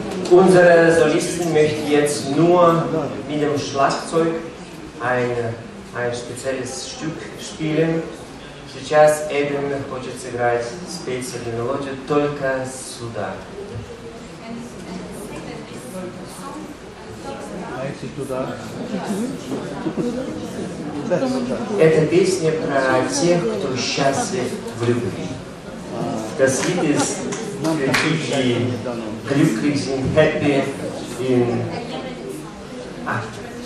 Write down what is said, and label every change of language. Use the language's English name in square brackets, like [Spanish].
[German] unsere Solistin möchte jetzt nur mit dem Schlagzeug ein spezielles Stück spielen. [Russian] Сейчас Эдвин хочет сыграть специальную мелодию только сюда. Это песня про тех, кто счастлив в любви. [German] Das Lied ist für die Glücklichen, happy in Afrika.